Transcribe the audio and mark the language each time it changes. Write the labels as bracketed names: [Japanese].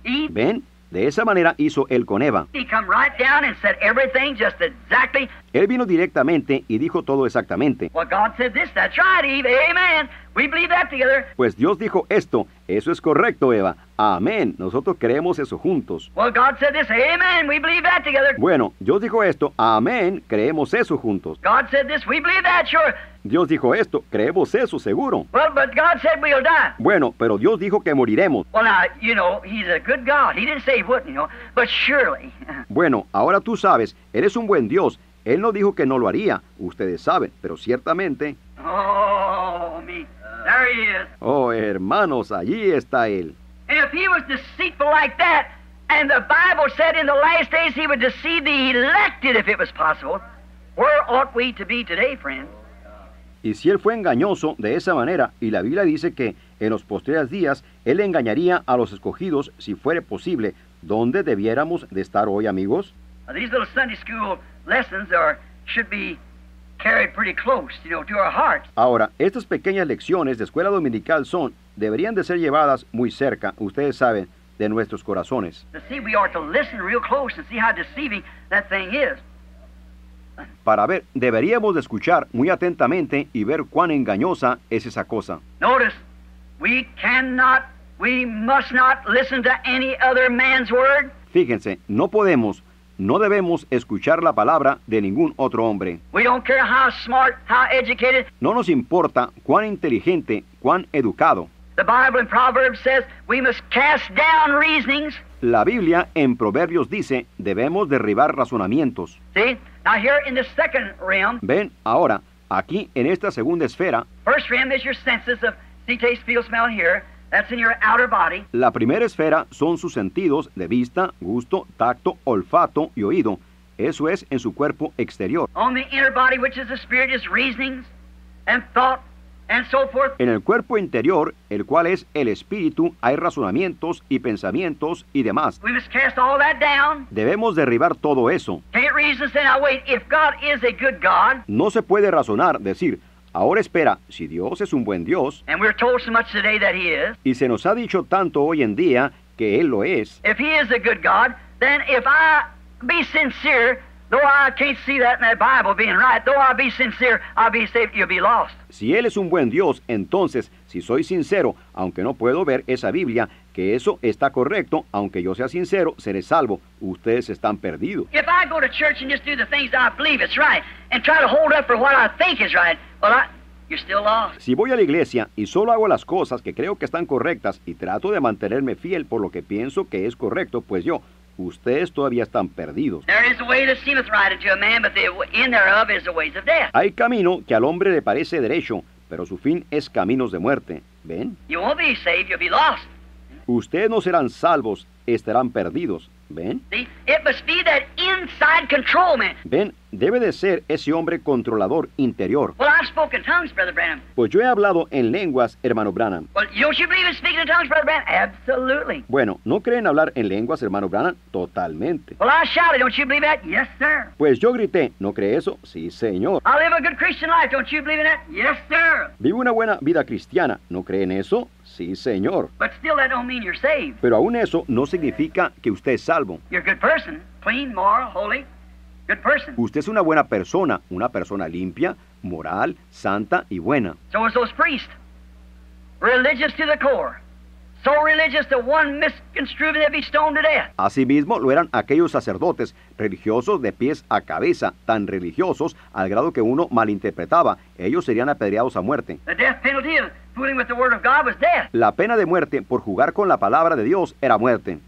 [Spanish] ¿Ven? De esa manera hizo él con Eva. [English] He come right down and said everything just exactly. [Spanish] Él vino directamente y dijo todo exactamente. [English] Well, God said this, that's right, Eve. Amen. We believe that together. [Spanish] Pues Dios dijo esto. Eso es correcto, Eva. Amén. Nosotros creemos eso juntos. [English] Well, God said this. Amen. We believe that together. [Spanish] Bueno, Dios dijo esto. Amén. Creemos eso juntos. [English] God said this. We believe that, sure. [Spanish] Dios dijo esto. Creemos eso, seguro. [English] Well, but God said we'll die. [Spanish] Bueno, pero Dios dijo que moriremos. [English] Well, now, you know, he's a good God. He didn't say he wouldn't, you know, but surely. [Spanish] Bueno, ahora tú sabes. Eres un buen Dios. Él no dijo que no lo haría. Ustedes saben, pero ciertamente... [English] Oh, me. There he is. [Spanish] Oh, hermanos, allí está él. [English] And if he was deceitful like that, and the Bible said in the last days he would deceive the elected if it was possible, where ought we to be today, friends? [Spanish] Y si él fue engañoso de esa manera, y la Biblia dice que en los postreros días él engañaría a los escogidos si fuere posible, ¿dónde debiéramos de estar hoy, amigos? [English] These little Sunday school lessons are, should be carried pretty close, you know, to our hearts. [Spanish] Ahora, estas pequeñas lecciones de escuela dominical son, deberían de ser llevadas muy cerca, ustedes saben, de nuestros corazones. [English] See, we ought to listen real close and see how deceiving that thing is. [Spanish] Para ver, deberíamos de escuchar muy atentamente y ver cuán engañosa es esa cosa. [English] Notice, we cannot, we must not listen to any other man's word. [Spanish] Fíjense, no podemos, no debemos escuchar la palabra de ningún otro hombre. [English] We don't care how smart, how educated. [Spanish] No nos importa cuán inteligente, cuán educado. [English] The Bible in Proverbs says we must cast down reasonings. [Spanish] La Biblia en Proverbios dice, debemos derribar razonamientos. [English] See? Now here in the second realm. [Spanish] Ven, ahora, aquí en esta segunda esfera. [English] First realm is your senses of see, taste, feel, smell, and hear. That's in your outer body. [Spanish] La primera esfera son sus sentidos de vista, gusto, tacto, olfato y oído. Eso es en su cuerpo exterior. [English] On the inner body, which is the spirit, is reasonings and thought and so forth. [Spanish] En el cuerpo interior, el cual es el espíritu, hay razonamientos y pensamientos y demás. [English] We must cast all that down. [Spanish] Debemos derribar todo eso. [English] Can't reason, say, now wait, if God is a good God. [Spanish] No se puede razonar, decir, ahora espera, si Dios es un buen Dios, [English] and we're told so much today that he is, [Spanish] y se nos ha dicho tanto hoy en día que Él lo es, [English] if he is a good God, then if I be sincere, though I can't see that in that Bible being right, though I be sincere, I'll be saved, you'll be lost. [Spanish] Si Él es un buen Dios, entonces, si soy sincero, aunque no puedo ver esa Biblia, que eso está correcto, aunque yo sea sincero, seré salvo. Ustedes están perdidos. [English] If I go to church and just do the things that I believe is right, and try to hold up for what I think is right, well, you're still lost. [Spanish] Si voy a la iglesia y solo hago las cosas que creo que están correctas y trato de mantenerme fiel por lo que pienso que es correcto, pues yo, ustedes todavía están perdidos. [English] There is a way that seemeth right unto a man, but the end thereof is the ways of death. [Spanish] Hay camino que al hombre le parece derecho, pero su fin es caminos de muerte. ¿Ven? [English] You won't be saved, you'll be lost. [Spanish] Ustedes no serán salvos, estarán perdidos. ¿Ven? [English] See, it must be that inside control, man. [Spanish] ¿Ven? Debe de ser ese hombre controlador interior. [English] Well, I've spoken tongues, Brother Branham. [Spanish] Pues yo he hablado en lenguas, hermano Branham. [English] Well, don't you believe in speaking in tongues, Brother Branham? Absolutely. [Spanish] Bueno, ¿no creen hablar en lenguas, hermano Branham? Totalmente. [English] Well, I shouted, don't you believe that? Yes, sir. [Spanish] Pues yo grité, ¿no cree eso? Sí, señor. [English] I live a good Christian life, don't you believe in that? Yes, sir. [Spanish] Vivo una buena vida cristiana, ¿no creen eso? Sí, señor. [English] But still that don't mean you're saved. [Spanish] Pero aún eso no significa que usted es salvo. [English] You're a good person, clean, moral, holy. Good person. [Spanish] Usted es una persona limpia, moral, santa y buena. [English] So was those priests, religious to the core, so religious that one misconstrued they'd be stoned to death. [Spanish] Asimismo lo eran aquellos sacerdotes, religiosos de pies a cabeza, tan religiosos al grado que uno malinterpretaba, ellos serían apedreados a muerte. [English] The death penalty of fooling with the word of God was death. [Spanish] La pena de muerte por jugar con la palabra de Dios era muerte.